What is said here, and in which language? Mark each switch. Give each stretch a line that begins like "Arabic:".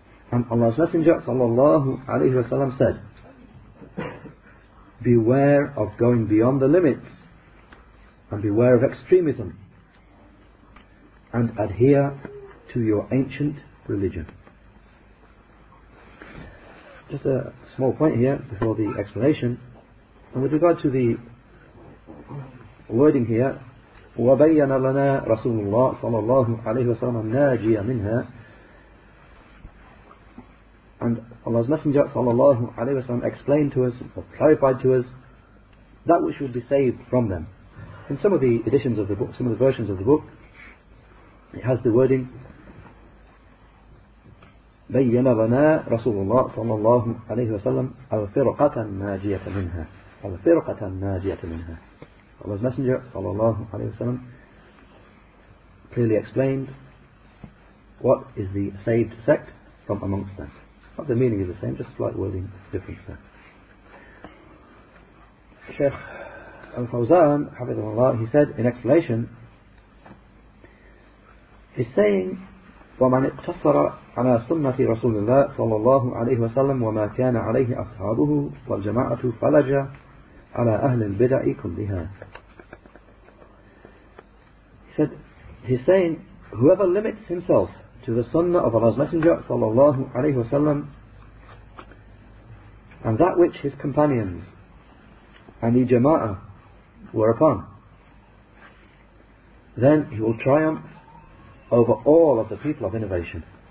English: And Allah's Messenger sallallahu alayhi wa sallam said, beware of going beyond the limits, and beware of extremism, and adhere to your ancient religion. Just a small point here before the explanation. And with regard to the wording here,
Arabic: وَبَيَّنَ لَنَا رَسُولُ اللَّهِ صَلَى اللَّهُ عَلَيْهِ وَسَلَمَ النَّاجِيَ مِنْهَا.
English: And Allah's Messenger صلى الله عليه وسلم explained to us, or clarified to us, that which would be saved from them. In some of the editions of the book, some of the versions of the book, it has the wording
Arabic: بَيَّنَ لَنَا رَسُولُ اللَّهِ صَلَى اللَّهُ عَلَيْهِ وَسَلَّمَ الْفِرْقَةَ النَّاجِيَةَ مِنْهَا الْفِرْقَةَ النَّاجِيَةَ مِنْهَا.
English: Allah's Messenger صلى الله عليه وسلم clearly explained what is the saved sect from amongst them. Not the meaning is the same, just slight wording difference there. Sheikh Al-Fawzan, حَفِظَهُ اللَّهُ, he said in explanation, he's saying
Arabic: وَمَنْ اِقْتَصَرَ عَلَى سُنَّةِ رَسُولِ اللَّهِ صَلَّى اللَّهُ عَلَيْهِ وَسَلَّمْ وَمَا كَانَ عَلَيْهِ أَصْحَابُهُ وَالْجَمَاعَةُ فَلَجَ عَلَى أَهْلِ الْبِدَعِ كُلِّهَا.
English: He said, he's saying, whoever limits himself to the sunnah of Allah's Messenger صلى الله عليه وسلم and that which his companions and the jama'ah were upon, then he will triumph over all of the people of innovation.